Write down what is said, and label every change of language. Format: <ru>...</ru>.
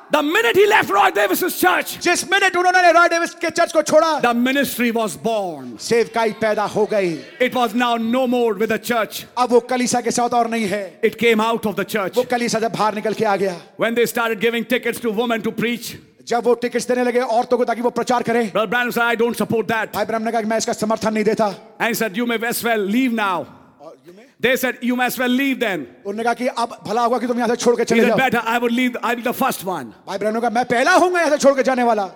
<en>The minute he left Roy Davis's church,</en> <hi>जिस minute उन्होंने Roy Davis के चर्च को छोड़ा,</hi> <en>the ministry was born.</en> <hi>सेवकाई पैदा हो गई.</hi> <en>It was now no more with the church.</en> <hi>अब वो कलीसिया के साथ और नहीं है.</hi> <en>It came out of the church.</en> <hi>वो कलीसिया से बाहर निकल के आ गया.</hi> <en>When they started giving tickets to women to preach.</en> <hi>जब वो टिकट्स देने लगे औरतों को ताकि वो प्रचार करें.</hi> <en>Brother Branham said, I don't support that.</en> <hi>भाई ब्रैनम ने कहा कि मैं इसका समर्थन नहीं देता.</hi> <en>And he said, you may as well leave now. They said, you may as well leave then.</en> <hi>उन्होंने कहा कि अब भला होगा कि तुम यहाँ से छोड़ के चले जाओ.</hi> <en>Better, I would leave. I'll be the first one.</en> <hi>भाई ब्रैनम ने कहा मैं पहला हूँगा यहाँ से छोड़ के जाने वाला.</hi>